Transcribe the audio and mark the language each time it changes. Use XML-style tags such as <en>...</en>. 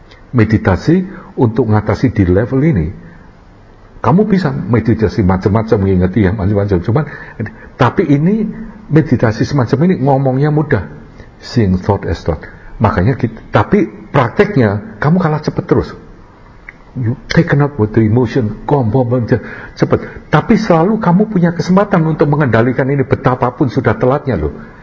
<id>Meditasi untuk mengatasi di level ini, kamu bisa meditasi macam-macam, mengingati yang macam-macam, cuman tapi ini meditasi semacam ini ngomongnya mudah,</id> <en>seeing thought as thought.</en> <id>Makanya kita, tapi prakteknya kamu kalah cepat terus.</id> <en>You taken up with the emotion,</en> <id>gombong-gombong cepat. Tapi selalu kamu punya kesempatan untuk mengendalikan ini, betapapun sudah telatnya loh.</id>